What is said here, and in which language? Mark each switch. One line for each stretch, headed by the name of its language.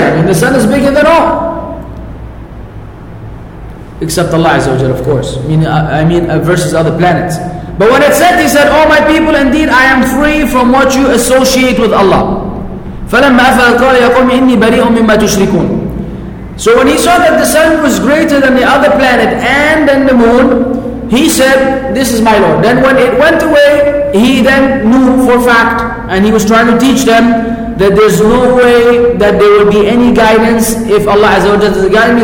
English: I mean, the sun is bigger than all except Allah Azza wa Jalla, of course. I mean versus other planets. But when it set, he said, oh my people, indeed I am free from what you associate with Allah.
Arabic: فلما افل قال يا قوم اني بريء مما تشركون.
English: So when he saw that the sun was greater than the other planet and than the moon, he said, this is my Lord. Then when it went away, he then knew for fact, and he was trying to teach them, that there's no way that there will be any guidance if Allah Azza wa Jalla doesn't guide me.